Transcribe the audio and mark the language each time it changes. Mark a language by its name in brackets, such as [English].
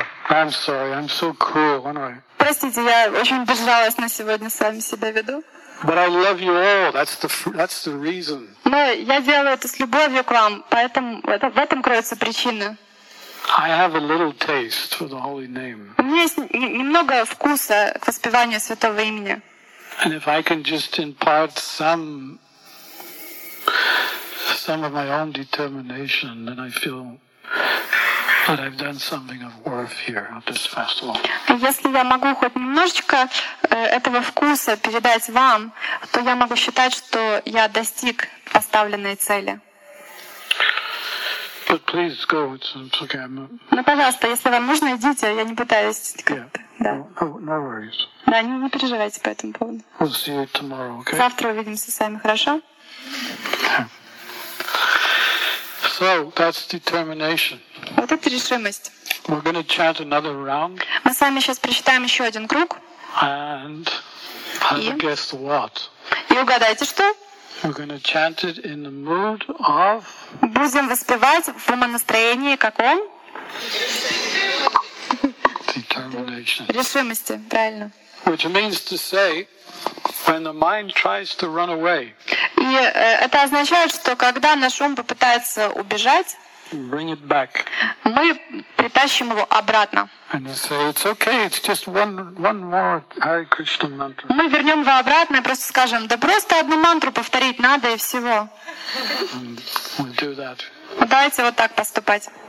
[English] I'm sorry, I'm so cruel, aren't I? [Russian] Простите, я очень безжалостна сегодня с вами себя веду. [English] But I love you all. That's the reason. [Russian] Но я делаю это с любовью к вам, поэтому в этом кроется причина. [English] I have a little taste for the holy name. [Russian] У меня есть немного вкуса к воспеванию святого имени. [English] And if I can just impart some of my own determination, then I feel that I've done something of worth here at this festival. [Russian] Если я могу хоть немножечко этого вкуса передать вам, то я могу считать, что я достиг поставленной цели. [English] But please go. It's okay. [Russian] Ну, пожалуйста, если вам нужно, идите. Я не пытаюсь. [English] Yeah. [Russian] Да. [English] No worries. [Russian] Да, не переживайте по этому поводу. [English] We'll see you tomorrow, okay? [Russian] Завтра увидимся с вами, хорошо? [English] Okay. So that's determination. [Russian] Вот это решимость. [English] We're going to chant another round. [Russian] Мы с вами сейчас прочитаем еще один круг. [English] And guess what? [Russian] И угадайте что? [English] We're going to chant it in the mood of. [Russian] Будем воспевать в умонастроении каком? [English] Determination. [Russian] Решимости, правильно. [English] Which means to say, when the mind tries to run away. [Russian] И это означает, что когда наш ум попытается убежать. [English] Bring it back. [Russian] Мы притащим его обратно. [English] And you say it's okay, it's just one more Hare Krishna mantra. [Russian] Мы вернем его обратно и просто скажем, да просто одну мантру повторить надо и всего. [English] We'll do that. [Russian] Давайте вот так поступать.